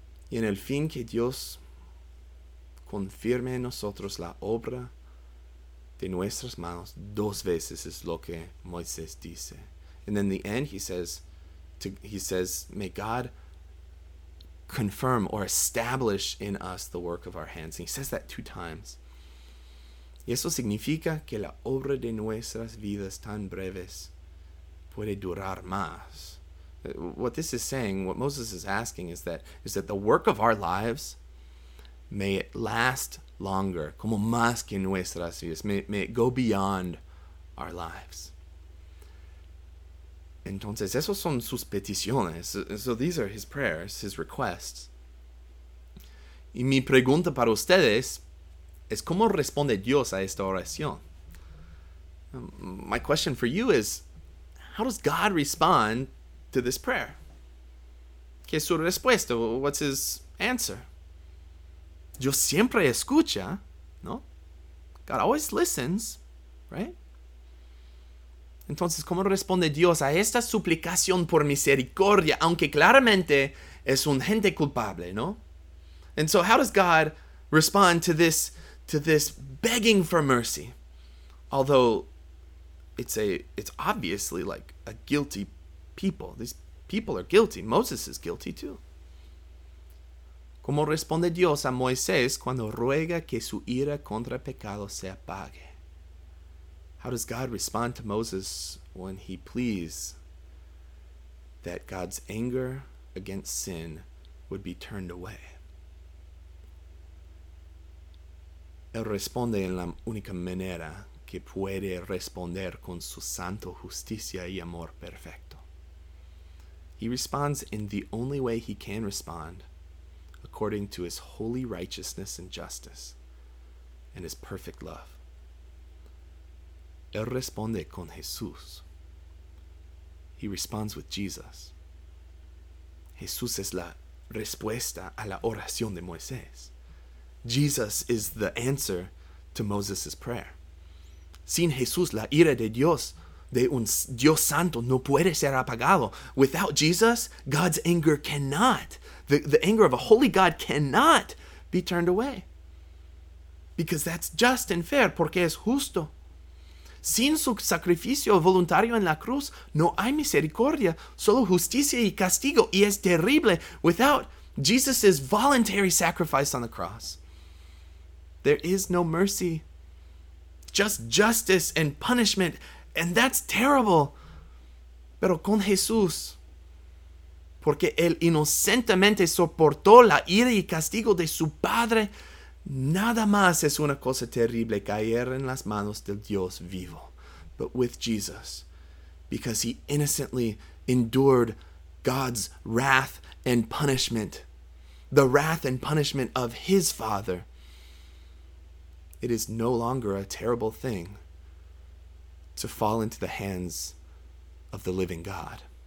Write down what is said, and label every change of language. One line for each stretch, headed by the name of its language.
Spanish: Y en el fin que Dios confirme en nosotros la obra de nuestras manos, dos veces es lo que Moisés dice.
English: And then the end he says, may God confirm or establish in us the work of our hands. And he says that two times.
Spanish: Y eso significa que la obra de nuestras vidas tan breves puede durar más.
English: What this is saying, what Moses is asking, is that the work of our lives, may it last longer,
Spanish: como más que nuestras vidas,
English: may it go beyond our lives.
Spanish: Entonces, esos son sus peticiones.
English: So these are his prayers, his requests.
Spanish: Y mi pregunta para ustedes es, ¿cómo responde Dios a esta oración?
English: My question for you is, how does God respond to this prayer?
Spanish: ¿Qué es su respuesta?
English: What's his answer?
Spanish: Dios siempre escucha, ¿no?
English: God always listens, right?
Spanish: Entonces, ¿cómo responde Dios a esta suplicación por misericordia, aunque claramente es un gente culpable, ¿no?
English: And so, how does God respond to this begging for mercy? Although it's obviously like a guilty people. These people are guilty. Moses is guilty too.
Spanish: ¿Cómo responde Dios a Moisés cuando ruega que su ira contra pecado se apague?
English: How does God respond to Moses when he pleads that God's anger against sin would be turned away?
Spanish: Él responde en la única manera que puede responder con su santo justicia y amor perfecto.
English: He responds in the only way he can respond, according to his holy righteousness and justice and his perfect love.
Spanish: Él responde con Jesús.
English: He responds with Jesus.
Spanish: Jesús es la respuesta a la oración de Moisés.
English: Jesus is the answer to Moses' prayer.
Spanish: Sin Jesús, la ira de Dios, de un Dios santo, no puede ser apagado.
English: Without Jesus, God's anger cannot, the anger of a holy God cannot be turned away. Because that's just and fair,
Spanish: porque es justo. Sin su sacrificio voluntario en la cruz, no hay misericordia, solo justicia y castigo, y es terrible.
English: Without Jesus' voluntary sacrifice on the cross, there is no mercy, just justice and punishment, and that's terrible.
Spanish: Pero con Jesús, porque él inocentemente soportó la ira y castigo de su Padre, nada más es una cosa terrible caer en las manos del Dios vivo.
English: But with Jesus, because he innocently endured God's wrath and punishment, the wrath and punishment of his Father, it is no longer a terrible thing to fall into the hands of the living God.